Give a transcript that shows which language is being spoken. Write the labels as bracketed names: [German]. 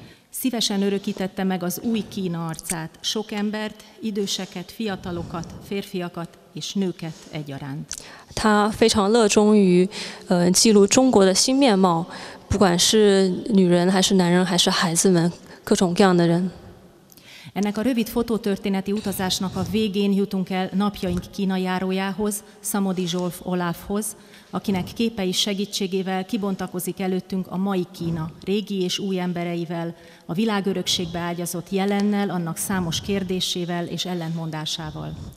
[Hungarian] Szívesen örökítette meg az új Kína arcát, sok embert, időseket, fiatalokat, férfiakat és nőket egyaránt. [Chinese] 他非常热衷于记录中国的新面貌，不管是女人还是男人还是孩子们。 [Hungarian] Ennek a rövid fotótörténeti utazásnak a végén jutunk el napjaink Kína járójához, Szamodi Zsolf Olafhoz, akinek képei segítségével kibontakozik előttünk a mai Kína, régi és új embereivel, a világörökségbe ágyazott jelennel, annak számos kérdésével és ellentmondásával.